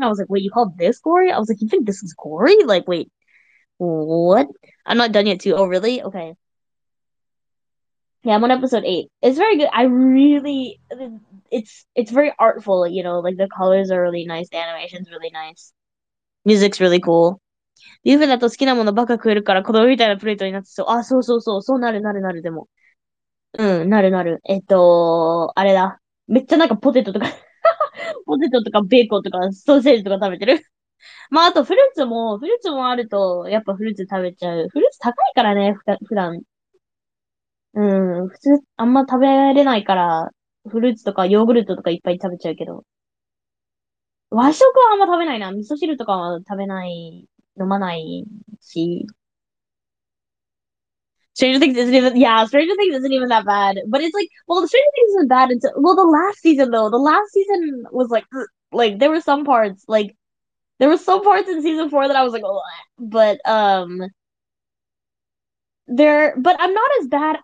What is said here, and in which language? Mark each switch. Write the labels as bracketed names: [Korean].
[English] I was like, wait, you called this gory? I was like, you think this is gory? Like, wait, what? I'm not done yet too. Oh, really? Okay. Yeah, I'm on episode 8. It's very good. I really it's very artful, you know, like the colors are really nice, the animation's really nice. Music's really cool. [Japanese] ユーフェだと好きなものばっか食えるから子供みたいなプレートになってそう。あ、そうそうそう、そうなるなるなるでも。うん、なるなる。あれだ。めっちゃなんかポテトとか ポテトとかベーコンとかソーセージとか食べてる まああとフルーツもあると、やっぱフルーツ食べちゃう。フルーツ高いからね、普段。うん、普通、あんま食べれないから、フルーツとかヨーグルトとかいっぱい食べちゃうけど。和食はあんま食べないな。味噌汁とかは食べない、飲まないし。 [English] Stranger Things isn't even that bad. But it's like, well, the Stranger Things isn't bad until, well, the last season though. The last season was like there were some parts in season 4 that I was like, ugh. But I'm not as bad.